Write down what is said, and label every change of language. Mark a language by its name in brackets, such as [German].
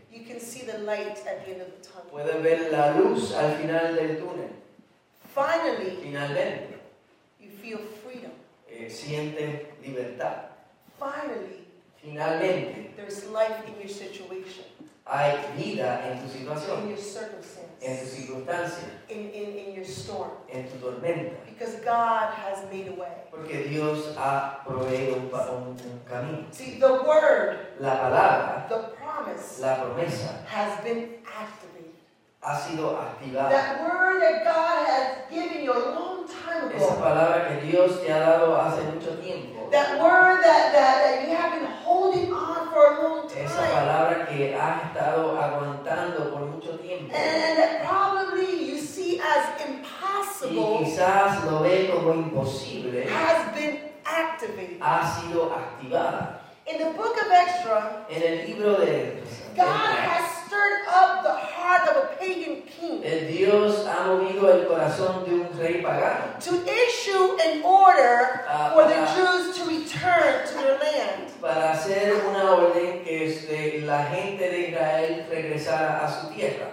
[English] you can see the light at the end of the tunnel. [Spanish] Puede ver la luz al final del túnel. [English] Finally, [Spanish] finalmente, [English] you feel freedom. [Spanish] Siente libertad. [English] Finally, [Spanish] finalmente, [English] there's life in your situation. [Spanish] Hay vida en tu situación. [English] In your circumstance. [Spanish] En tu circunstancia. [English] In your storm. [Spanish] En tu tormenta. [English] Because God has made a way. [Spanish] Porque Dios ha proveído un camino. [English] See, the word, [Spanish] la palabra, [English] the promise, [Spanish] la promesa, [English] has been activated. [Spanish] Ha sido activada. [English] That word that God has given you a long time ago. [Spanish] Esa palabra que Dios te ha dado hace mucho tiempo. [English] That word that you have been holding on for a long time. [Spanish] Esa palabra que has estado aguantando por mucho tiempo. [English] And probably you see as impossible. [Spanish] Y quizás lo ve como imposible. [English] Has been activated. [Spanish] Ha sido activada. [English] In the book of Ezra. [Spanish] En el libro de [English] God has stirred up the heart of a pagan king. [Spanish] El Dios ha movido el corazón de un rey pagano. [English] To issue an order for the Jews to return to their land. [Spanish] Para hacer una orden que la gente de Israel regresara a su tierra.